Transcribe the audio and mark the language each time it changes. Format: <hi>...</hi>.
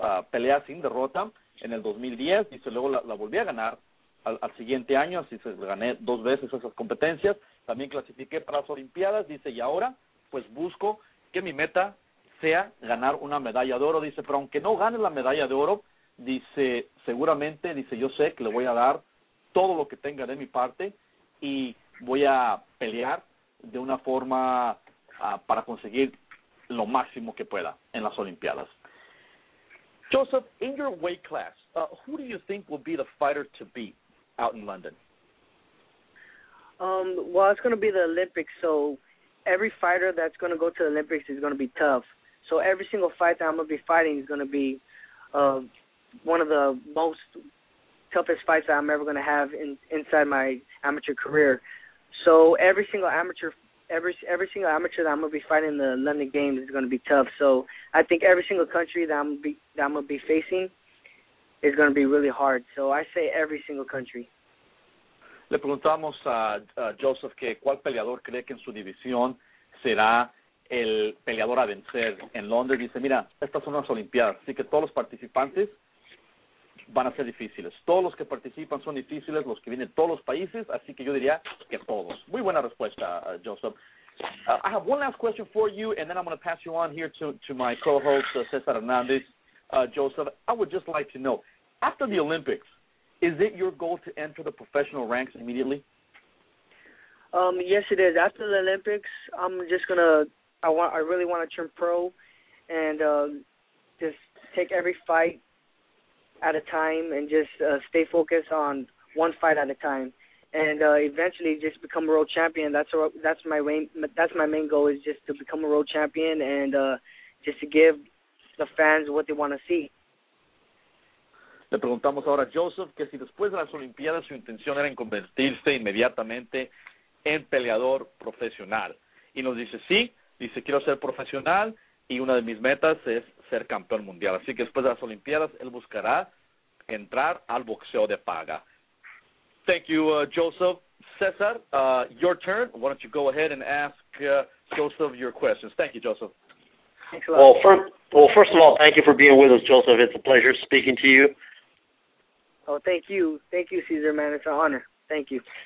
<es>peleas sin derrota en el 2010, dice, luego la volví a ganar al siguiente año, así se gané dos veces esas competencias, también clasifiqué para las Olimpiadas, dice, y ahora pues busco que mi meta sea ganar una medalla de oro, dice, pero aunque no gane la medalla de oro, dice, seguramente, dice, yo sé que le voy a dar todo lo que tenga de mi parte y voy a pelear de una forma para conseguir lo máximo que pueda en las Olimpiadas.</es> <en>Joseph, in your weight class, who do you think will be the fighter to beat out in London? Well, it's going to be the Olympics, so every fighter that's going to go to the Olympics is going to be tough. So every single fight that I'm going to be fighting is going to be one of the most toughest fights that I'm ever going to have inside my amateur career. So every single amateur that I'm going to be fighting in the London Games is going to be tough. So I think every single country that I'm going to be facing is going to be really hard. So I say every single country.</en> <es>le preguntamos a Joseph que cuál peleador cree que en su división será el peleador a vencer en Londres. Dice, mira, estas son las Olimpiadas, así que todos los participantes van a ser difíciles. Todos los que participan son difíciles, los que vienen de todos los países, así que yo diría que todos. Muy buena respuesta, Joseph.</es> <en>I have one last question for you, and then I'm going to pass you on here to my co-host, Cesar Hernandez. Joseph, I would just like to know, after the Olympics, is it your goal to enter the professional ranks immediately? Yes, it is. After the Olympics, I'm just going to, I really want to turn pro and just take every fight at a time and just stay focused on one fight at a time. And eventually just become a world champion. That's my main goal is just to become a world champion and just to give the fans what they want to see.</en> <es>Le preguntamos ahora a Joseph que si después de las Olimpiadas su intención era en convertirse inmediatamente en peleador profesional. Y nos dice sí, dice quiero ser profesional y una de mis metas es ser campeón mundial. Así que después de las Olimpiadas él buscará entrar al boxeo de paga.</es> <en>Thank you, Joseph. Cesar, your turn. Why don't you go ahead and ask Joseph your questions. Thank you, Joseph. Thanks a lot. Well, first of all, thank you for being with us, Joseph. It's a pleasure speaking to you. Oh, thank you. Thank you, Cesar, man. It's an honor. Thank you.</en>